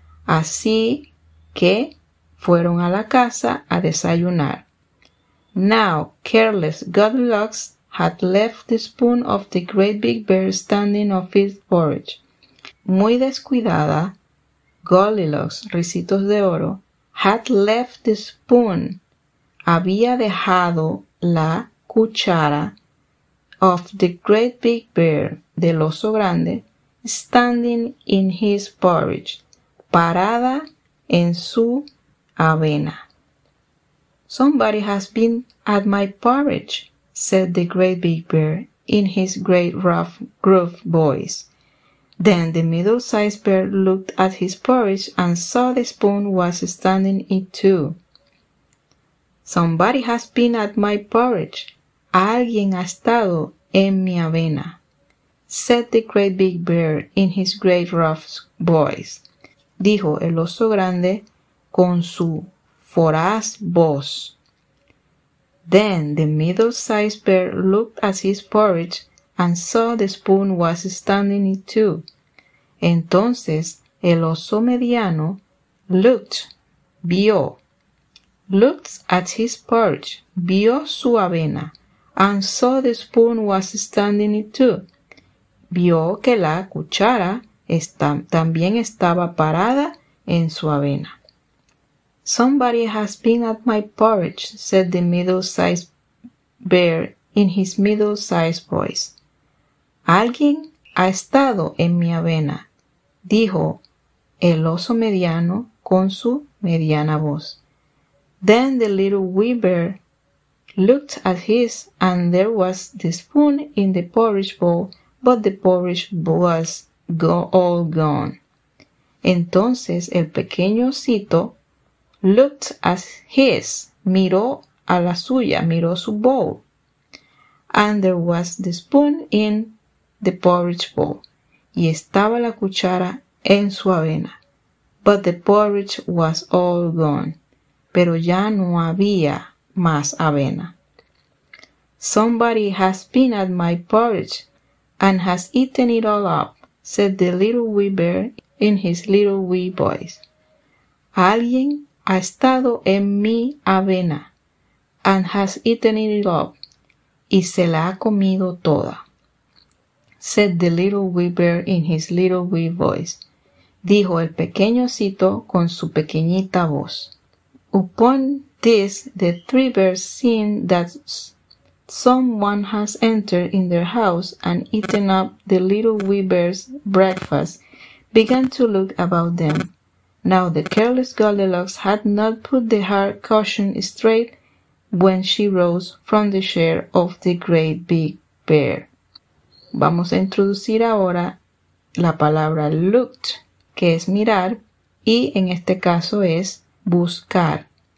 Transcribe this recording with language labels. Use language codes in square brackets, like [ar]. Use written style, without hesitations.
[es] Así que fueron a la casa a desayunar. [en] Now, careless, Goldilocks had left the spoon of the great big bear standing of his porridge. [es] Muy descuidada, Goldilocks, Ricitos de Oro, [en] had left the spoon, [es] había dejado la cuchara [en] of the great big bear, [es] del oso grande, [en] standing in his porridge, [es] parada en su avena. [en] Somebody has been at my porridge, said the great big bear in his great rough gruff voice. Then the middle-sized bear looked at his porridge and saw the spoon was standing in two. Somebody has been at my porridge. [es] Alguien ha estado en mi avena, [en] said the great big bear in his great rough voice. [es] Dijo el oso grande con su voraz voz. [en] Then the middle-sized bear looked at his porridge and saw the spoon was standing in two. [es] Entonces el oso mediano [en] looked at his porridge, [es] vio su avena, [en] and saw the spoon was standing in two. [es] Vio que la cuchara también estaba parada en su avena. [en] Somebody has been at my porridge, said the middle-sized bear in his middle-sized voice. [es] Alguien ha estado en mi avena, dijo el oso mediano con su mediana voz. [en] Then the little wee bear looked at his, and there was the spoon in the porridge bowl, but the porridge was all gone. [es] Entonces el pequeño osito [en] looked at his, [es] miró a la suya, miró su bowl, [en] and there was the spoon in the porridge bowl, [es] y estaba la cuchara en su avena, [en] but the porridge was all gone, [es] pero ya no había más avena. [en] Somebody has been at my porridge and has eaten it all up, said the little wee bear in his little wee voice. [es] Alguien ha estado en mi avena [en] and has eaten it up, [es] y se la ha comido toda, [en] said the little wee bear in his little wee voice. [es] dijo el pequeño osito con su pequeñita voz. [en] Upon this, the three bears seen that someone has entered in their house and eaten up the little wee bear's breakfast, began to look about them. Now the careless Goldilocks had not put the hard cushion straight when she rose from the chair of the great big bear. [es] Vamos a introducir ahora la palabra looked, que es mirar, y en este caso es buscar.